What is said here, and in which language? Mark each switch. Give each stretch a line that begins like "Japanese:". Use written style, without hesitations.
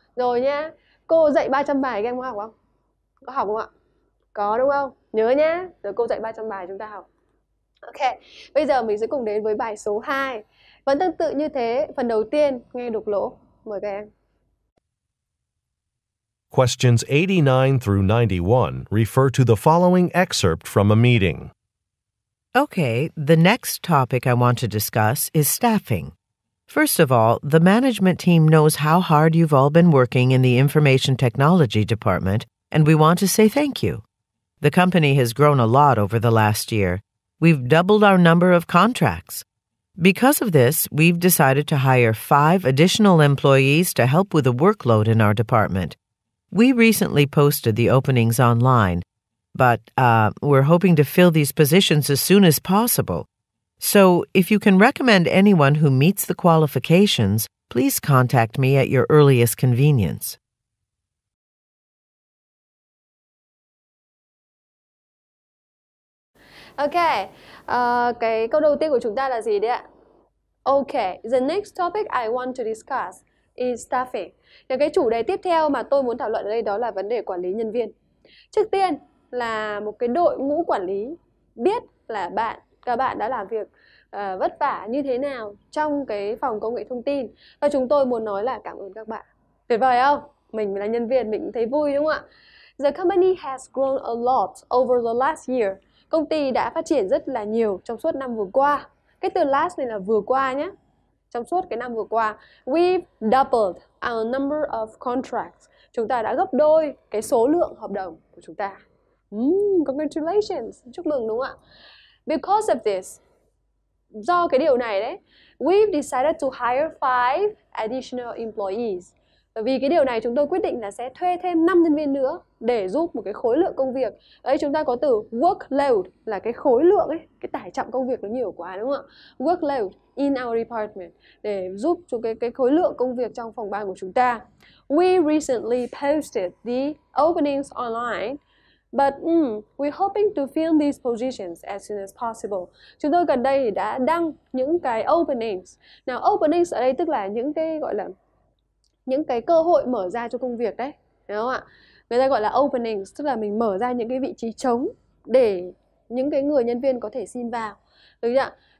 Vietnamese: Rồi nhá, cô dạy 300 bài các em có học không? Có học không ạ? Có đúng không? Nhớ nhá, rồi cô dạy 300 bài chúng ta học. Ok, bây giờ mình sẽ cùng đến với bài số 2. Vẫn tương tự như thế, phần đầu tiên nghe đục lỗ, mời các em.
English: Questions 89 through 91 refer to the following excerpt from a meeting. Okay, the next topic I want to discuss is staffing. First of all, the management team knows how hard you've all been working in the information technology department, and we want to say thank you. The company has grown a lot over the last year. We've doubled our number of contracts. Because of this, we've decided to hire 5 additional employees to help with the workload in our department. We recently posted the openings online, but we're hoping to fill these positions as soon as possible. So if you can recommend anyone who meets the qualifications, please contact me at your earliest convenience.
Vietnamese: Okay, cái câu đầu tiên của chúng ta là gì đấy ạ?
English: Okay, the next topic I want to discuss is staffing.
Vietnamese: Và cái chủ đề tiếp theo mà tôi muốn thảo luận ở đây đó là vấn đề quản lý nhân viên. Trước tiên là một cái đội ngũ quản lý biết là bạn, các bạn đã làm việc vất vả như thế nào trong cái phòng công nghệ thông tin. Và chúng tôi muốn nói là cảm ơn các bạn. Tuyệt vời không? Mình là nhân viên, mình thấy vui đúng không ạ? The company has grown a lot over the last year. Công ty đã phát triển rất là nhiều trong suốt năm vừa qua. Cái từ last này là vừa qua nhé. Trong suốt cái năm vừa qua,
English: we've doubled our number of contracts.
Vietnamese: Chúng ta đã gấp đôi cái số lượng hợp đồng của chúng ta. Congratulations, chúc mừng đúng không ạ?
English: Because of this,
Vietnamese: do cái điều này đấy,
English: we've decided to hire 5 additional employees.
Vietnamese: Vì cái điều này chúng tôi quyết định là sẽ thuê thêm 5 nhân viên nữa để giúp một cái khối lượng công việc. Đấy, chúng ta có từ workload là cái khối lượng ấy, cái tải trọng công việc nó nhiều quá đúng không ạ?
English: Workload in our department
Vietnamese: để giúp cho cái khối lượng công việc trong phòng ban của chúng ta.
English: We recently posted the openings online, but we're hoping to fill these positions as soon as possible.
Vietnamese: Chúng tôi gần đây đã đăng những cái openings. Now, openings ở đây tức là những cái gọi là những cái cơ hội mở ra cho công việc đấy, đúng không ạ? Người ta gọi là openings, tức là mình mở ra những cái vị trí trống để những cái người nhân viên có thể xin vào, đúng không ạ?